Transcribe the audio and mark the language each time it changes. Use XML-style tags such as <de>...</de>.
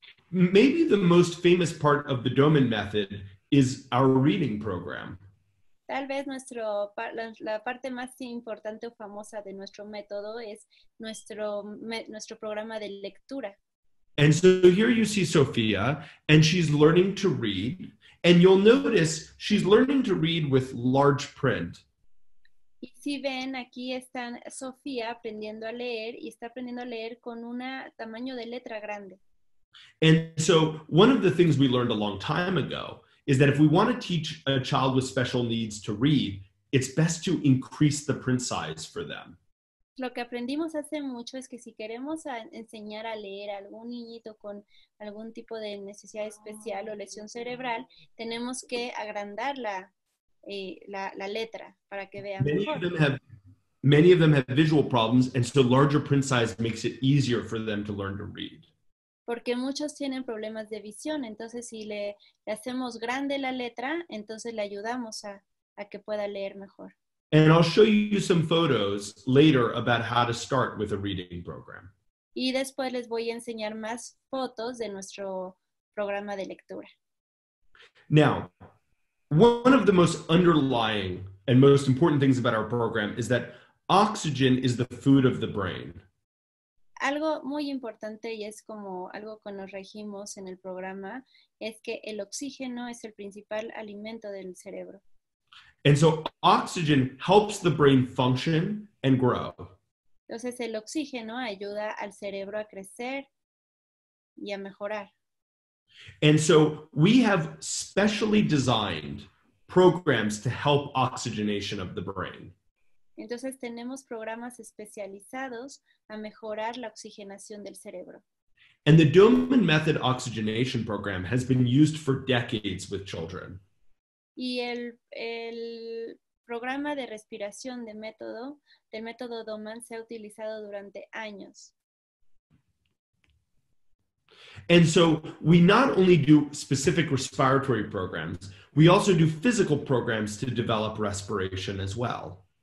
<en>Maybe the most famous part of the Doman method is our reading program.</en> <es>Tal vez nuestro la parte más importante o famosa de nuestro método es nuestro programa de lectura.</es> <en>And so here you see Sofía, and she's learning to read. And you'll notice she's learning to read with large print.</en> <es>Y si ven, aquí está Sofía aprendiendo a leer, y está aprendiendo a leer con un tamaño de letra grande.</es> <en>And so one of the things we learned a long time ago is that if we want to teach a child with special needs to read, it's best to increase the print size for them.</en> <es>Lo que aprendimos hace mucho es que si queremos enseñar a leer a algún niñito con algún tipo de necesidad especial o lesión cerebral, tenemos que agrandar la letra para que vea mejor.</es> <en>Many of them have visual problems, and so larger print size makes it easier for them to learn to read.</en> <es>Porque muchos tienen problemas de visión, entonces si le hacemos grande la letra, entonces le ayudamos a que pueda leer mejor.</es> <en>And I'll show you some photos later about how to start with a reading program.</en> <es>Y después les voy a enseñar más fotos de nuestro programa de lectura.</es> <en>Now, one of the most underlying and most important things about our program is that oxygen is the food of the brain.</en> <es>Algo muy importante y es como algo que nos regimos en el programa es que el oxígeno es el principal alimento del cerebro.</es> <en>And so oxygen helps the brain function and grow.</en> <es>Entonces el oxígeno ayuda al cerebro a crecer y a mejorar.</es> <en>And so we have specially designed programs to help oxygenation of the brain.</en> <es>Entonces tenemos programas especializados a mejorar la oxigenación del cerebro.</es> <en>And the Doman Method Oxygenation Program has been used for decades with children.</en> <es>Y el programa de respiración del método Doman se ha utilizado durante años.</es> <en>And so we not only do specific respiratory programs, we also do physical programs to develop respiration as well.</en>